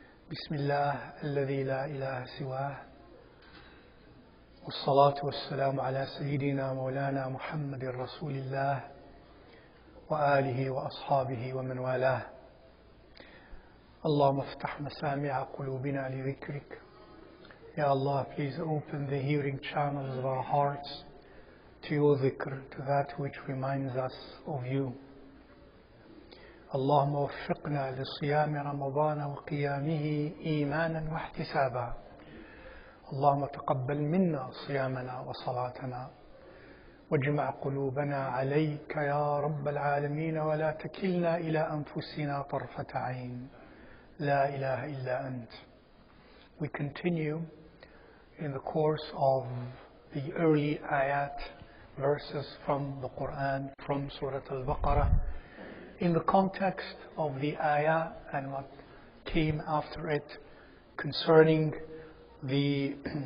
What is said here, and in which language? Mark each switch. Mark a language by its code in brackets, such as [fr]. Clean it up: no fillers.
[ar] بسم الله الذي لا إله سواه، والصلاة والسلام على سيدنا مولانا محمد رسول الله وآله وأصحابه ومن والاه. اللهم افتح مسامع قلوبنا لذكرك. يا الله, [en] please open the hearing channels of our hearts to your dhikr, to that which reminds us of you. [ar] اللهم وفقنا لصيام رمضان وقيامه إيمانا واحتسابا. اللهم تقبل منا صيامنا وصلاتنا واجمع قلوبنا عليك يا رب العالمين، ولا تكلنا إلى أنفسنا طرفة عين. لا إله إلا أنت. [en] We continue in the course of the early ayat verses from the Quran, from Surah Al-Baqarah, in the context of the ayah and what came after it concerning the